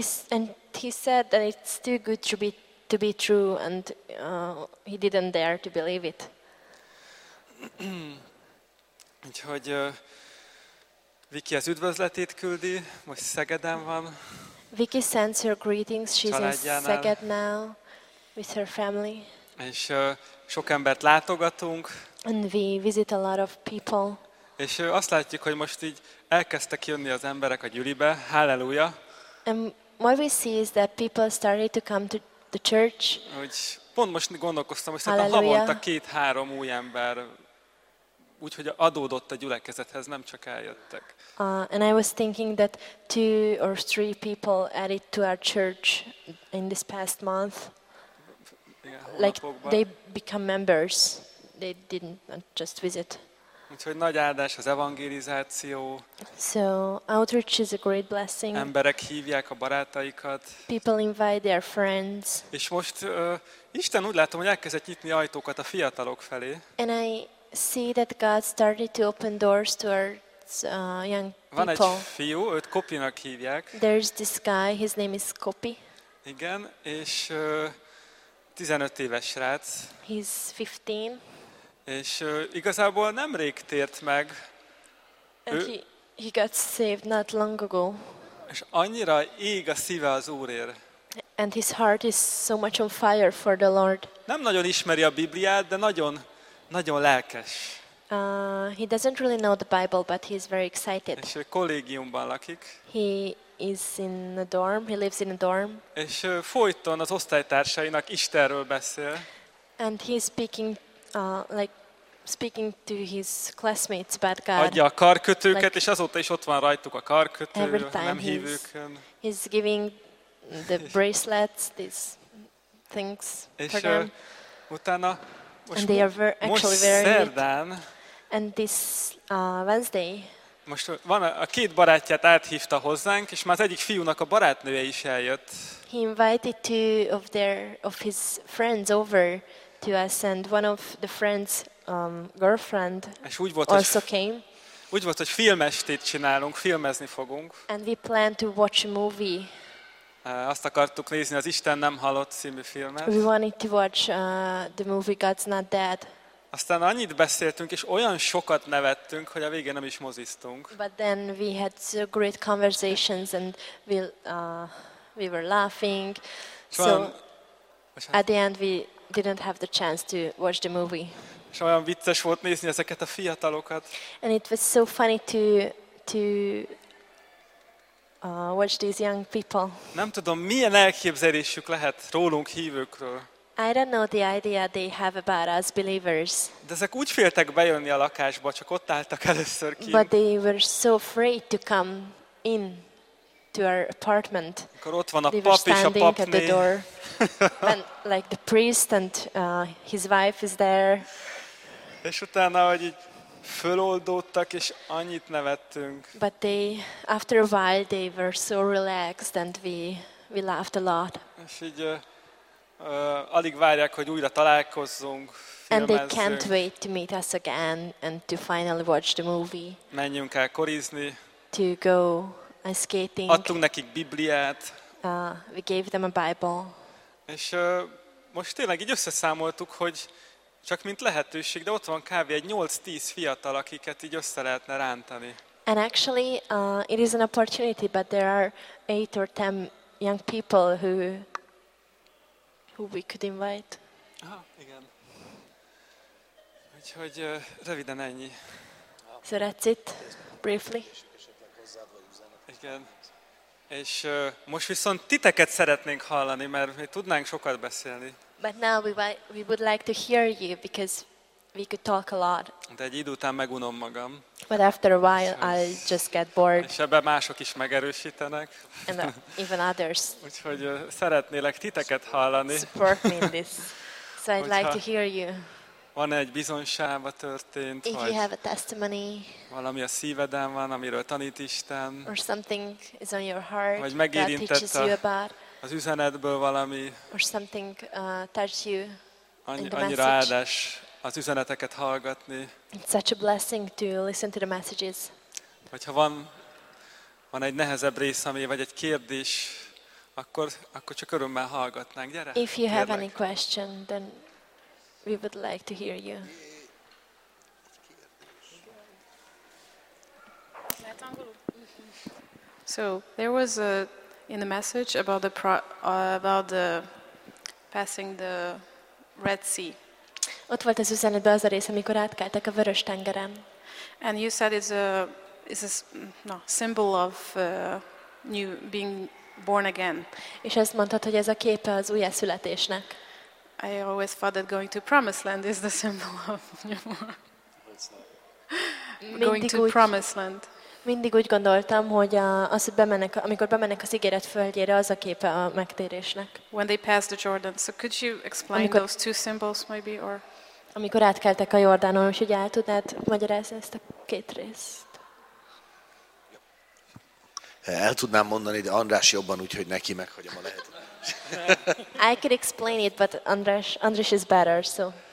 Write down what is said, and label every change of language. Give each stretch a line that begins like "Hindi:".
English: And he said that it's too good to be true, and he didn't dare to believe it.
Hungarian: Úgyhogy Viki az üdvözletét küldi, most Szegeden van.
English: Viki sends her greetings, she's in Szeged now with her family.
Hungarian: És sok embert látogatunk.
English: And we visit a lot of people.
Hungarian: És azt látjuk, hogy most így elkezdtek jönni az emberek a gyülibe, halleluja.
English: And what we see is that people started to come to the church.
Hungarian: Úgy pont most gondolkoztam, hogy szerintem havonta 2-3 új ember. Úgyhogy adódott a gyülekezethez, nem csak eljöttek.
English: And I was thinking that 2 or 3 people added to our church in this past month. Like they become members. They didn't just visit.
Hungarian: Úgyhogy nagy áldás az evangelizáció.
English: So outreach is a great blessing.
Hungarian: Emberek hívják a barátaikat.
English: People invite their friends.
Hungarian: És most Isten úgy látom, hogy elkezdett nyitni ajtókat a fiatalok felé.
English: And I see that God started to open doors towards young people.
Hungarian: Van egy fiú, őt Kopinak hívják.
English: There's this guy, his name is Kopi.
Hungarian: Igen, és 15 éves srác.
English: He's 15.
Hungarian: És igazából nemrég tért meg.
English: And he got saved not long ago.
Hungarian: És annyira ég a szíve az Úrért.
English: And his heart is so much on fire for the Lord.
Hungarian: Nem nagyon ismeri a Bibliát, de nagyon nagyon lelkes.
English: He doesn't really know the Bible, but he's very excited.
Hungarian: És ő kollégiumban lakik.
English: He is in a dorm. He lives in a dorm.
Hungarian: És folyton az osztálytársainak Istenről beszél.
English: And he's speaking like speaking to his classmates about God.
Hungarian: Adja a karkötőket, like, és azóta is ott van rajtuk a karkötő,
English: every time
Hungarian: nem hívőkön.
English: He's giving the bracelets, these things
Hungarian: és
English: for them.
Hungarian: Utána
English: most, and they are very, actually very
Hungarian: szerdán,
English: and this Wednesday.
Hungarian: Most van a két barátját áthívta hozzánk, és már az egyik fiúnak a barátnője is eljött.
English: He invited two of their of his friends over to us, and one of the friends' girlfriend
Hungarian: és úgy volt,
English: also came.
Hungarian: Úgy volt, hogy filmestét csinálunk, filmezni fogunk.
English: And we plan to watch a movie.
Hungarian: Azt akartuk nézni az Isten nem halott című filmet.
English: We wanted to watch the movie God's Not Dead.
Hungarian: Aztán annyit beszéltünk és olyan sokat nevettünk, hogy a végén nem is moziztunk.
English: But then we had so great conversations and we were laughing. So at the end we didn't have the chance to watch the movie.
Hungarian: És olyan vicces volt nézni ezeket a fiatalokat.
English: And it was so funny to watch these young people.
Hungarian: Nem tudom, milyen elképzelésük lehet rólunk hívőkről.
English: I don't know the idea they have about us believers.
Hungarian: De ezek úgy féltek bejönni a lakásba, csak ott álltak először kint.
English: But they were so afraid to come in to our apartment.
Hungarian: Akkor ott van a pap és a papné.
English: And like the priest and his wife is there.
Hungarian: És utána, hogy így föloldódtak és annyit nevettünk.
English: But they, after a while, they were so relaxed and we laughed a lot.
Hungarian: És így alig várják, hogy újra találkozzunk, filmezzünk.
English: And they can't wait to meet us again and to finally watch the movie.
Hungarian: Menjünk el korizni.
English: To go ice skating.
Hungarian: Adtunk nekik Bibliát.
English: We gave them a Bible.
Hungarian: És most tényleg így összeszámoltuk, hogy csak mint lehetőség, de ott van kb. Egy 8-10 fiatal, akiket így össze lehetne rántani.
English: And actually, it is an opportunity, but there are 8 or 10 young people who we could invite.
Hungarian: Aha, igen. Úgyhogy röviden ennyi.
English: So that's it, briefly.
Hungarian: Igen. És most viszont titeket szeretnénk hallani, mert mi tudnánk sokat beszélni.
English: But now we would like to hear you because we could talk a lot.
Hungarian: De egy idő után megunom magam.
English: But after a while I just get bored.
Hungarian: És ebben mások is megerősítenek.
English: And even others.
Hungarian: Úgyhogy szeretnélek titeket hallani.
English: Support me in this. So I'd like to hear you.
Hungarian: Van egy bizonyság a történt,
English: if you have a testimony.
Hungarian: Valami a szíveden van, amiről tanít Isten.
English: Or something is on your heart.
Hungarian: Vagy megérintett az üzenetből valami.
English: Or something touched you.
Hungarian: Annyira áldás az üzeneteket hallgatni.
English: It's such a blessing to listen to the messages.
Hungarian: Vagy ha van egy nehezebb rész, ami vagy egy kérdés, akkor csak örömmel hallgatnánk, gyere.
English: If you have any question, then we would like to hear you. So there was a in the message about the about the passing the Red Sea.
Hungarian: Ott volt az üzenetben az a rész, amikor átkeltek a Vörös tengeren.
English: And you said it's a no, symbol of new being born again.
Hungarian: És ezt mondtad, hogy ez a képe az újjászületésnek.
English: I always thought that going to Promised Land is the symbol of new going to Promised Land.
Hungarian: Mindig úgy gondoltam, hogy amikor bemennek az ígéret földjére, az a képe a megtérésnek.
English: When they passed the Jordan, so could you explain amikor, those two symbols maybe or
Hungarian: amikor átkeltek a Jordánon, és ugye el tudnád magyarázni ezt a két részt? El tudnám mondani, de András jobban, úgyhogy neki meghagyom a lehet.
English: I could explain it, but András is better, so.